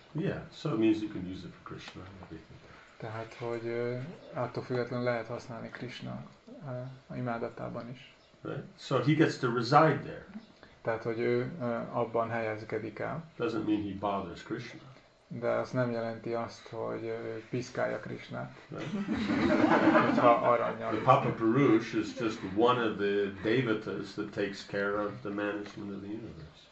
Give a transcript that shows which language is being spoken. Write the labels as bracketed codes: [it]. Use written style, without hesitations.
[en] Yeah, so it means you can use it for Krishna and everything. [hu] Tehát, hogy attól függetlenül lehet használni Krishna imádatában is. [en] Right, so he gets to reside there. [hu] Tehát, hogy ő abban helyezkedik el. [en] Doesn't mean he bothers Krishna. [hu] De az nem jelenti azt, hogy piszkálja Krishnát. [en] Right. [hu] Ha aranyal. [en] The Papa Purush is just one of the devatas that takes care of the management of the universe.